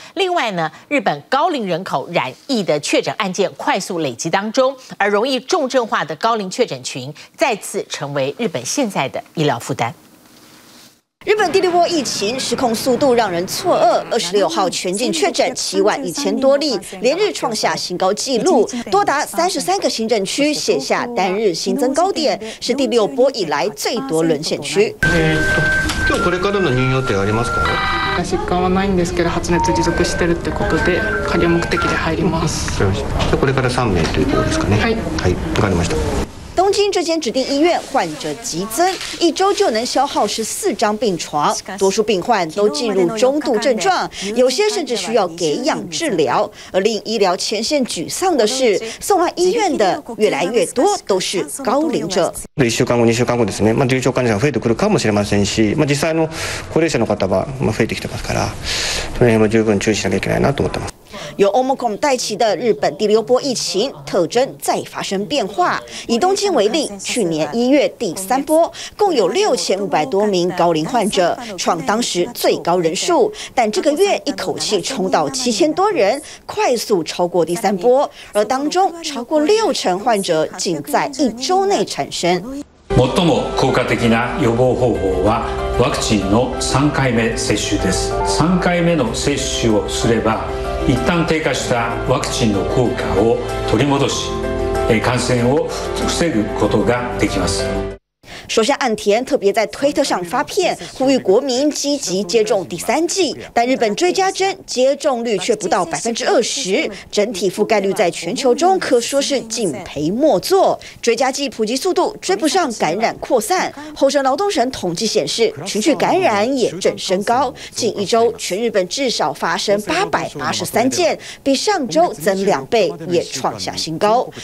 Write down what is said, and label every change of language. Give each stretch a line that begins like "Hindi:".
Chinese: 另外呢，日本高龄人口染疫的确诊案件快速累积当中，而容易重症化的高龄确诊群再次成为日本现在的医疗负担。日本第6波疫情失控速度让人错愕，26号全境确诊71000多例，连日创下新高纪录，多达33个行政区写下单日新增高点，是第6波以来最多沦陷区。
Japanese: 今日これからの入院予定ありますか？疾患はないんですけど発熱持続してるってことで加療目的で入ります。じゃこれから3名ということですかね？はい。はい、分かりました。
Chinese: 东京这间指定医院患者急增，一周就能消耗14张病床，多数病患都进入中度症状，有些甚至需要给氧治疗。而令医疗前线沮丧的是，送来医院的越来越多都是高龄者。
Japanese: 1週間後、2週間後ですね、まあ重症患者が増えてくるかもしれませんし、まあ実際の高齢者の方は増えてきてますから、その辺も十分注意しなきゃいけないなと思ってます。
Chinese: 由 Omicron 带起的日本第6波疫情特征再发生变化。以东京为例，去年1月第3波共有6500多名高龄患者，创当时最高人数，但这个月一口气冲到7000多人，快速超过第3波，而当中超过60%患者仅在一周内产生。
Japanese: 最も効果的な予防方法はワクチンの3回目接種です。 3回目の接種をすれば一旦低下したワクチンの効果を取り戻し、感染を防ぐことができます。
Chinese: 首相岸田特别在推特上发片，呼吁国民积极接种第三剂，但日本追加针接种率却不到20%，整体覆盖率在全球中可说是敬陪末座。追加剂普及速度追不上感染扩散，厚生劳动省统计显示，群聚感染也正升高，近一周全日本至少发生883件，比上周增2倍，也创下新高。